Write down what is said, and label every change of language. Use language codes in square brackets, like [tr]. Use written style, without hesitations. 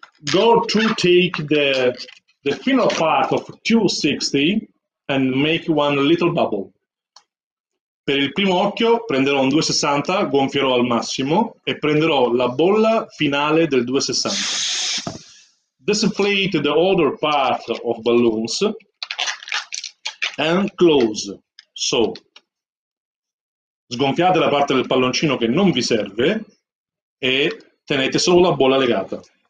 [en] Go to take the final part of 260 and make one little bubble. [it] Per il primo occhio prenderò un 260, gonfierò al massimo e prenderò la bolla finale del 260. [en] Disinflate the other part of balloons and close. [it] So, sgonfiate la parte del palloncino che non vi serve e tenete solo la bolla legata.